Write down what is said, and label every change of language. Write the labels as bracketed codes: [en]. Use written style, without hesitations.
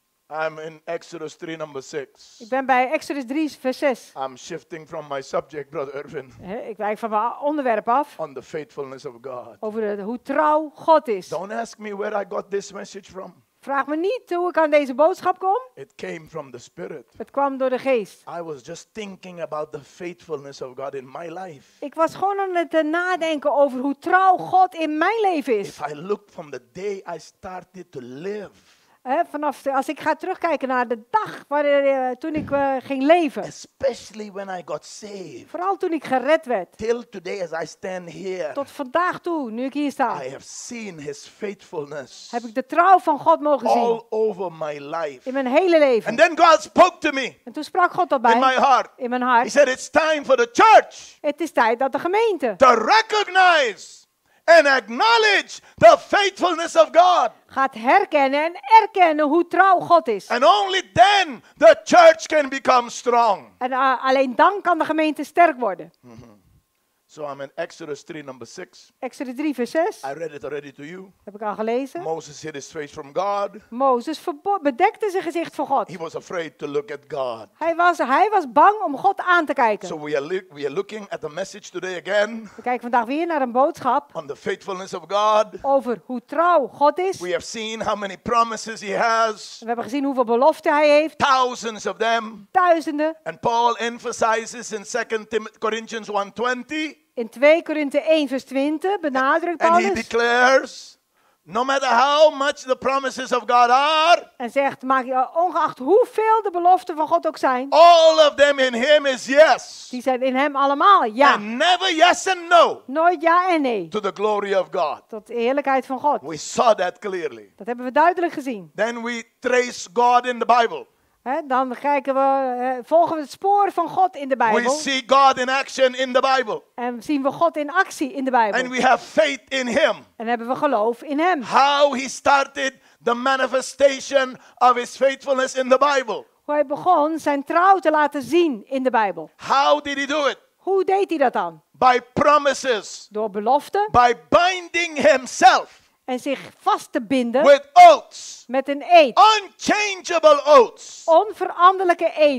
[en] I'm in Exodus 3, number 6. [nl] Ik ben bij Exodus 3, vers 6. [en] I'm shifting from my subject, Brother Irvin. [nl] Ik wijk van mijn onderwerp af. [en] On the faithfulness of God. [nl] Over hoe trouw God is. [en] Don't ask me where I got this message from. [nl] Vraag me niet hoe ik aan deze boodschap kom. [en] It came from the Spirit. [nl] Het kwam door de Geest. [en] I was just thinking about the faithfulness of God in my life. [nl] Ik was gewoon aan het nadenken over hoe trouw God in mijn leven is. [en] If I look from the day I started to live. [nl] Vanaf als ik ga terugkijken naar de dag toen ik ging leven. [en] Especially when I got saved. [nl] Vooral toen ik gered werd. [en] Till today as I stand here. [nl] Tot vandaag toe, nu ik hier sta. [en] I have seen his faithfulness. [nl] Heb ik de trouw van God mogen zien. [en] All over my life. [nl] In mijn hele leven. [en] And then God spoke to me. [nl] En toen sprak God tot mij. [en] In my heart. [nl] In mijn hart. [en] He said it's time for the church. [nl] Het is tijd dat de gemeente. [en] To recognize. And acknowledge the faithfulness of God. [nl] Gaat herkennen en erkennen hoe trouw God is. [en] And only then the church can become strong. [nl] En alleen dan kan de gemeente sterk worden. [en] So I'm in Exodus 3, number 6. [nl] Exodus 3, vers 6. [en] I read it already to you. [nl] Heb ik al gelezen. [en] Moses hid his face from God. [nl] Moses bedekte zijn gezicht voor God. [en] He was afraid to look at God. [nl] Hij was bang om God aan te kijken. [en] So we are looking at the message today again. [nl] We kijken vandaag weer naar een boodschap. [en] On the faithfulness of God. [nl] Over hoe trouw God is. [en] We have seen how many promises he has. [nl] We hebben gezien hoeveel beloften hij heeft. [en] Thousands of them. [nl] Duizenden. [en] And Paul emphasizes in 2 Corinthians 1:20. [nl] In 2 Korinthe 1 vers 20 benadrukt Paulus. [en] And he declares, no matter how much the promises of God are. [nl] En zegt, maak je ongeacht hoeveel de beloften van God ook zijn. [en] All of them in him is yes. [nl] Die zijn in hem allemaal ja. [en] And never yes and no. [nl] Nooit ja en nee. [en] To the glory of God. [nl] Tot de heerlijkheid van God. [en] We saw that clearly. [nl] Dat hebben we duidelijk gezien. [en] Then we trace God in the Bible. [nl] Dan kijken we, volgen we het spoor van God in de Bijbel. [en] We see God in action in the Bible. [nl] En zien we God in actie in de Bijbel. [en] And we have faith in Him. [nl] En hebben we geloof in Hem. [en] How He started the manifestation of His faithfulness in the Bible. [nl] Hoe hij begon zijn trouw te laten zien in de Bijbel. [en] How did he do it? [nl] Hoe deed hij dat dan? [en] By promises. [nl] Door beloften. [en] By binding himself. [nl] En zich vast te binden. [en] With oaths. [nl] Met een eed. [en] Unchangeable oaths. [nl] Onveranderlijke eeden.